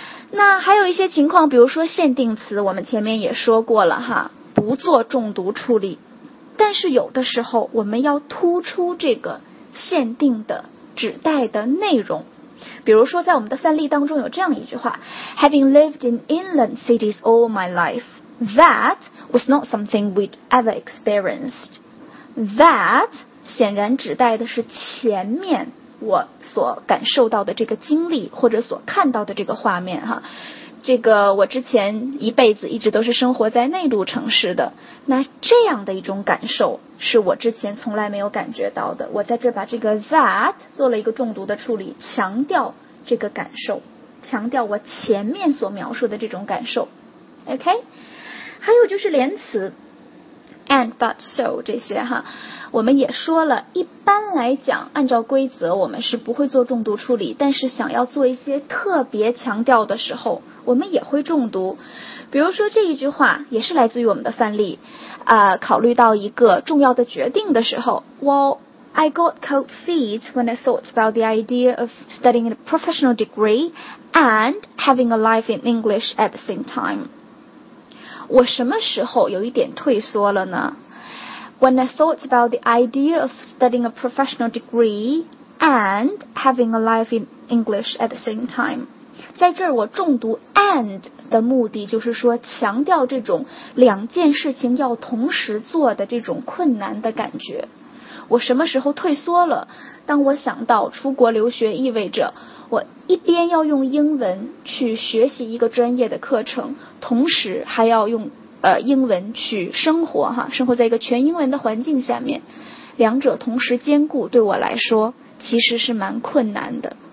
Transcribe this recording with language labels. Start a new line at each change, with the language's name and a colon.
Chinese: 那还有一些情况，比如说限定词，我们前面也说过了哈，不做重读处理，但是有的时候我们要突出这个限定的指代的内容。比如说在我们的范例当中有这样一句话，
English: Having lived in inland cities all my life, that was not something we'd ever experienced.
Chinese: That 显然指代的是前面我所感受到的这个经历，或者所看到的这个画面哈。这个我之前一辈子一直都是生活在内陆城市的，那这样的一种感受是我之前从来没有感觉到的。我在这把这个 that 做了一个重读的处理，强调这个感受，强调我前面所描述的这种感受， OK。还有就是连词 and but so 这些哈，我们也说了，一般来讲按照规则我们是不会做重读处理，但是想要做一些特别强调的时候我们也会重读。比如说这一句话也是来自于我们的范例，考虑到一个重要的决定的时候， Well,
English: I got cold feet when I thought about the idea of studying a professional degree and having a life in English at the same time.
Chinese: 我什么时候有一点退缩了呢?
English: When I thought about the idea of studying a professional degree and having a life in English at the same time.
Chinese: 在这儿我重读 and 的目的就是说强调这种两件事情要同时做的这种困难的感觉。我什么时候退缩了？当我想到出国留学意味着我一边要用英文去学习一个专业的课程，同时还要用英文去生活哈，生活在一个全英文的环境下面，两者同时兼顾对我来说其实是蛮困难的。